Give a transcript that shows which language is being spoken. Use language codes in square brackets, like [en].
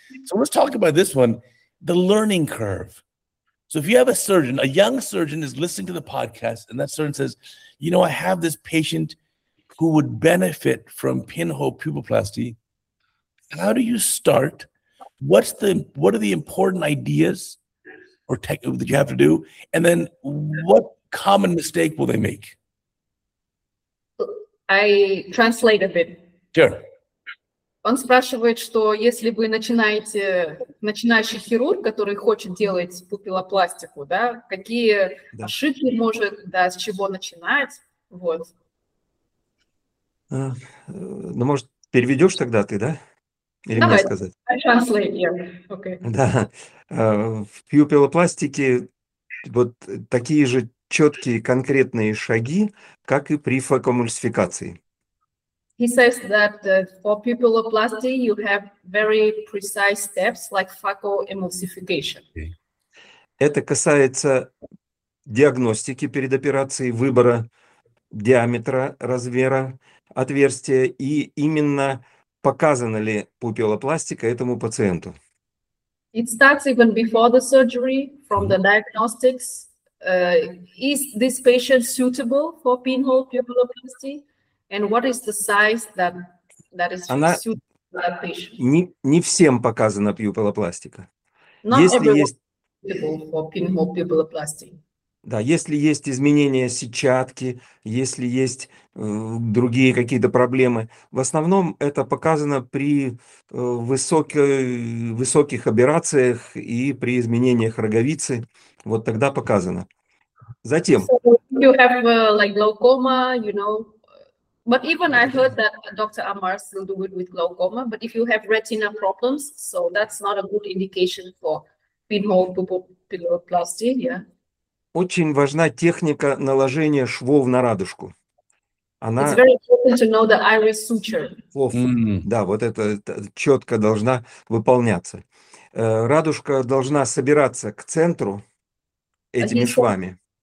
[en] So let's talk about this one, the learning curve. So if you have a surgeon, a young surgeon is listening to the podcast, and that surgeon says, you know, I have this patient who would benefit from pinhole pupilloplasty. How do you start? What are the important ideas or technique that you have to do? And then what common mistake will they make? I translate a bit. Sure. [ru] Он спрашивает, что если вы начинаете, начинающий хирург, который хочет делать пупилопластику, да, какие да. ошибки может, да, с чего начинать, вот. Ну, может, переведешь тогда ты, да? Или Давай, мне сказать? [en] I translate, yeah. Okay. [ru] Да, в пупилопластике вот такие же четкие конкретные шаги, как и при фокомульсификации. [en] He says that for pupilloplasty you have very precise steps like phaco emulsification. [ru] Это касается диагностики перед операцией, выбора диаметра, размера отверстия и именно показана ли пупилопластика этому пациенту. [en] It starts even before the surgery from the diagnostics. Is this patient suitable for pinhole pupilloplasty? And what is the size that is [ru] Она [en] suitable for that patient? [ru] Не всем показана пупилопластика. [en] Not [ru] если [en] everyone [ru] есть... [en] suitable for pinhole pupilloplasty. [ru] Да, если есть изменения сетчатки, если есть другие какие-то проблемы, в основном это показано при высоких операциях и при изменениях роговицы. Вот тогда показано. Затем. [en] So you have like glaucoma, you know, but even I heard that Dr. Amar still do it with glaucoma. But if you have retina problems, so that's not a good indication for pinhole pupilloplasty, yeah. [ru] Очень важна техника наложения швов на радужку. Она... [en] It's very important to know the iris suture. [ru] Да, вот это четко должна выполняться. Радужка должна собираться к центру этими швами.